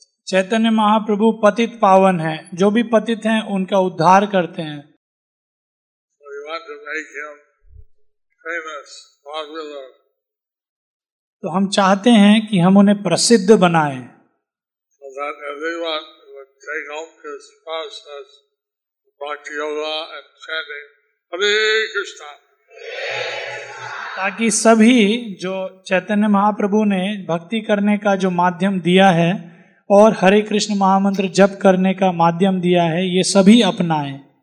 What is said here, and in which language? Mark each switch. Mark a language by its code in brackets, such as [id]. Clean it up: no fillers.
[hi] चैतन्य महाप्रभु पतित पावन है. जो भी पतित हैं उनका उद्धार करते हैं. [en] So you want to make him famous, popular. [hi] तो हम चाहते हैं कि हम उन्हें प्रसिद्ध बनाएं. [en] So that everyone would take up his process, bhakti yoga and chanting, Hare Krishna. [hi] ताकि सभी जो चैतन्य महाप्रभु ने भक्ति करने का जो माध्यम दिया है और हरे कृष्ण महामंत्र जप करने का माध्यम दिया है ये सभी अपनाएं.